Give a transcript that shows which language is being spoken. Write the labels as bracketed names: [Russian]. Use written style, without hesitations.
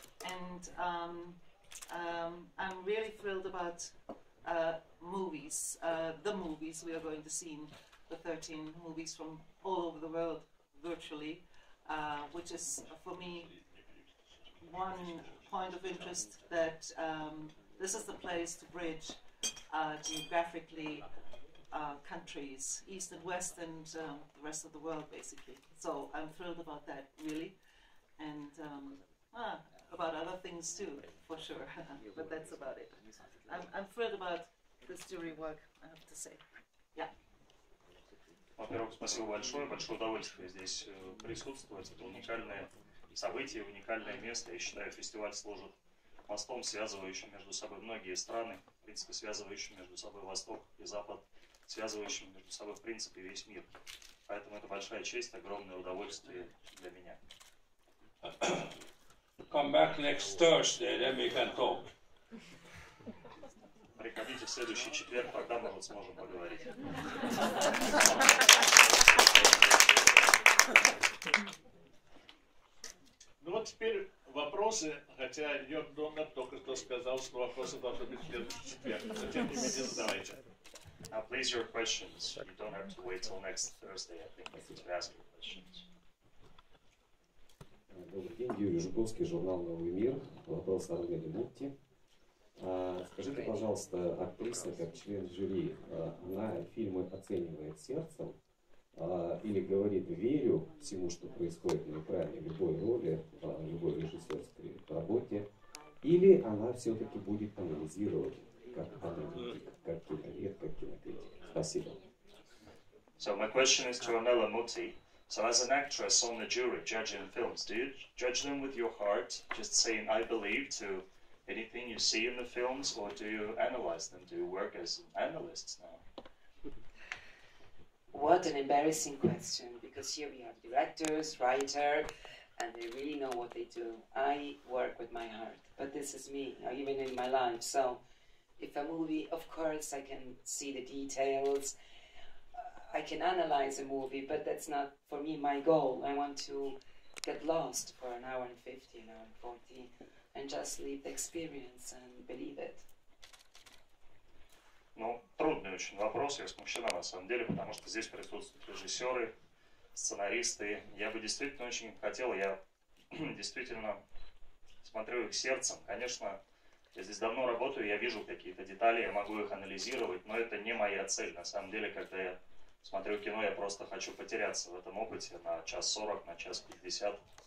[English] And I'm really thrilled about movies, the movies we are going to see in the 13 movies from all over the world virtually, which is for me one point of interest that this is the place to bridge geographically countries, East and West and the rest of the world basically. So I'm thrilled about that really, and about other things too for sure, but that's about it. I'm thrilled about this jury work, I have to say. Yeah. [Russian] Во-первых, спасибо большое, большое удовольствие здесь присутствовать. Это уникальное событие, уникальное место. Я считаю, фестиваль служит мостом, связывающим между собой многие страны, в принципе, связывающим между собой Восток и Запад, связывающим между собой, в принципе, весь мир. Поэтому это большая честь, огромное удовольствие для меня. [English] Come back next Thursday, then we can talk. [Russian] Приходите в следующий четверг, тогда мы вот сможем поговорить. Ну вот теперь вопросы, хотя Йорк Доннер только что сказал, что вопросы должны быть в следующий четверг. Но тем не менее, задавайте. [English] Now please your questions. You don't have to wait till next Thursday, I think, if you ask your questions. [Russian] Добрый день, Юрий Жуковский, журнал «Новый мир». Вопрос от Гарри Мутти. Скажите, пожалуйста, актриса, как член жюри, она фильмы оценивает сердцем или говорит «верю всему, что происходит на экране, любой роли, любой режиссерской работе», или она все-таки будет анализировать как аналитик, как киновед, как кинокритик? Спасибо. [English] So my question is to Ornella Muti. So as an actress on the jury judging films, do you judge them with your heart, just saying I believe to anything you see in the films, or do you analyze them? Do you work as analysts now? What an embarrassing question, because here we have directors, writers, and they really know what they do. I work with my heart, but this is me, even in my life. So if a movie, of course, I can see the details. I can analyze a movie, but that's not, for me, my goal. I want to get lost for an hour and 50, an hour and 40. And just leave the experience and believe it. [Russian] Ну, трудный очень вопрос, я смущена на самом деле, потому что здесь присутствуют режиссеры, сценаристы. Я бы действительно очень хотел, я действительно смотрю их сердцем. Конечно, Я здесь давно работаю, я вижу какие-то детали, я могу их анализировать, но это не моя цель. На самом деле, когда я смотрю кино, я просто хочу потеряться в этом опыте на 1:40, на 1:50.